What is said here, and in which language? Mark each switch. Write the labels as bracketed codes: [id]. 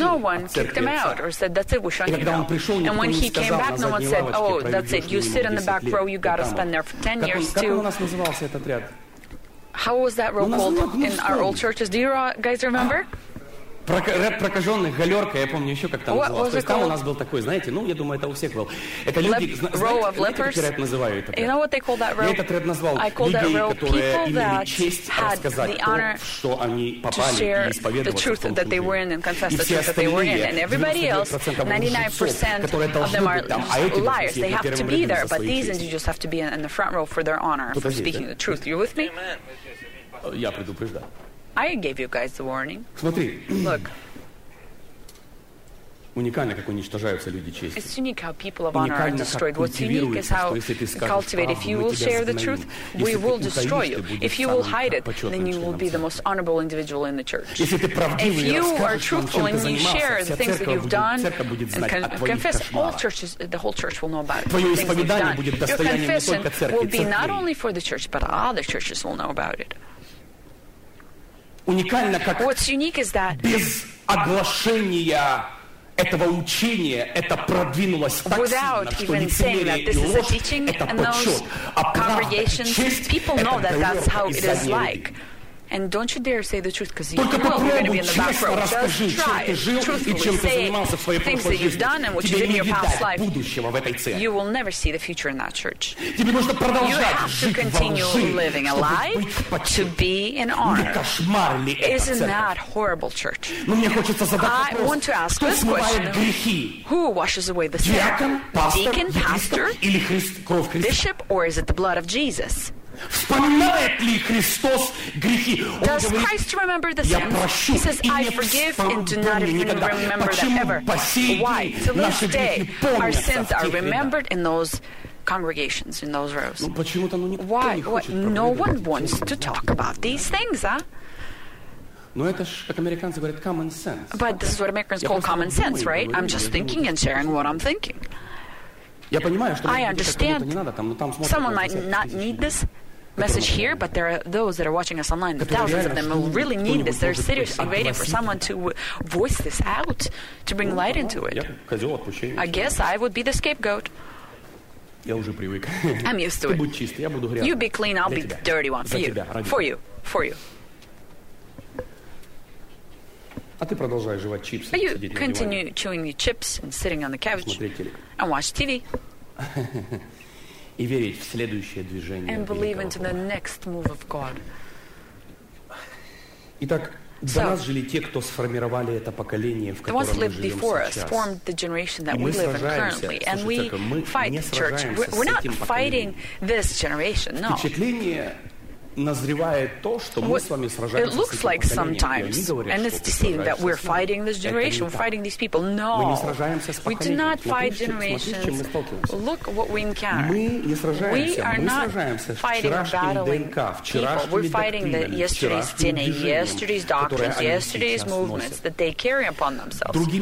[en] No one kicked him out or said that's it, we shun you. [ru] Когда он пришел, никто не сказал, [en] back, [ru] на задней лавочке, [en] oh, that's it. You sit in the back row, you gotta spend there for 10 years too. [ru] Как у нас назывался этот ряд? [en] How was that row called in our old churches? Do you guys remember? [ru] Ряд прокаженных, галерка, я помню еще, как там называлось. То есть там у нас был такой, знаете, ну, я думаю, это у всех был. Это люди, знаете, как этот ряд называют? Я этот ряд назвал людей, которые имели честь рассказать то, что они попали и исповедоваться. И все остальные, 99% лжецов, которые должны быть там, а эти должны быть в первом ряду за свою честь. Подождите. Я предупреждаю. [en] I gave you guys the warning. [ru] Смотри. [en] Look. [ru] Уникально, как уничтожаются люди чести. [en] It's unique how people of honor are destroyed. What's unique is how cultivated. If you will share the truth, we will destroy you. If you will hide it, then you will be the most honorable individual in the church. If you are truthful and you share the things that you've done and confess, all churches, the whole church will know about it. [ru] Твое исповедание будет достоянием не только церкви. [en] Your confession will be not only for the church, but other churches will know about it. [ru] Уникально, как [en] what's unique is that [ru] без оглашения этого учения это продвинулось так [en] without [ru] сильно, что лицемерие и ложь это почет, а правда, честь [en] people [ru] это [en] know that that's how it is like. And don't you dare say the truth, because you know you're going to be in the back row. [ru] Расскажи, [en] just try. Truthfully say things that you've done and what you did in your past life. You will never see the future in that church. You have to continue living a lie to be in honor. Isn't that horrible, church? I want to ask this question. Who washes away the sin? Deacon, pastor, bishop, or is it the blood of Jesus? [ru] Вспоминает ли Христос грехи? [en] Does Christ remember the sins? [ru] Я прощу. [en] He says, I forgive and do not even remember them ever. Why? To this day, our sins are remembered in those congregations, in those rows. Why? What? No one wants to talk about these things, huh? [ru] Но это ж, как американцы говорят, [en] common sense. But this is what Americans call common sense, right? I'm just thinking and sharing what I'm thinking. [ru] Я понимаю, что [en] I understand someone might not need this message here, but there are those that are watching us online, thousands of them will really need this. They're seriously waiting for someone to voice this out, to bring light into it. I guess I would be the scapegoat. I'm used to it. You be clean, I'll be the dirty one. For you. For you. For you. [ru] А ты продолжаешь жевать чипсы, [en] you continue chewing your chips and sitting on the couch and watch TV. [ru] И верить в следующее движение. [en] And believe into the next move of God. [ru] Итак, за нас жили те, кто сформировали это поколение, в котором мы живем сейчас. [en] The ones that lived before us formed the generation that we live in currently, and we fight the church. We're not fighting this generation, no. [ru] Впечатление. Назревает то, что мы с вами сражаемся. [en] It looks like sometimes, and it's deceiving that we're fighting this generation, we're fighting these people. No, we do not fight generations. Look what we encounter. We are not fighting or battling people. We're fighting the yesterday's DNA, yesterday's doctrines, yesterday's movements that they carry upon themselves.